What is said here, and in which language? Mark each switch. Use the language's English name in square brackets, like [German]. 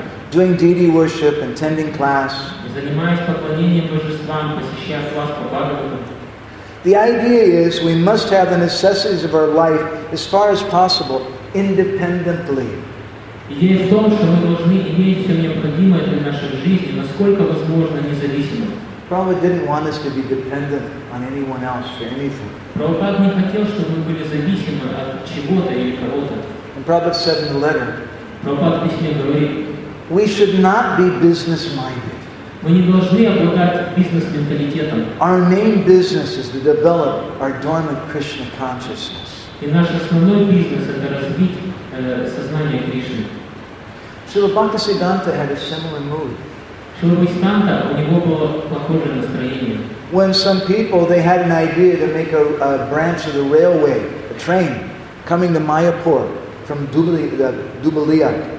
[English] Doing deity worship, attending class. The idea is we must have the necessities of our life as far as possible independently. [Russian] Идея в том, что мы должны иметь все необходимое для нашей жизни, насколько возможно, независимо. [English] Prabhupada didn't want us to be dependent on anyone else for anything. [Russian] Прабхупада не хотел, чтобы мы были зависимы от чего-то или кого-то. [English] And Prabhupada said in the letter, [Russian] Прабхупада в письме говорит, [English] we should not be business-minded. [Russian] Мы не должны обладать бизнес-менталитетом. [English] Our main business is to develop our dormant Krishna consciousness. [Russian] И наш основной бизнес — это развить сознание Кришны. [English] Шрила Бхактисиддханта had a similar mood. [Russian] Шрила Бхактисиддханта, у него было похожее настроение. [English] When some people, they had an idea to make a branch of the railway, a train, coming to Mayapur from Dubalia.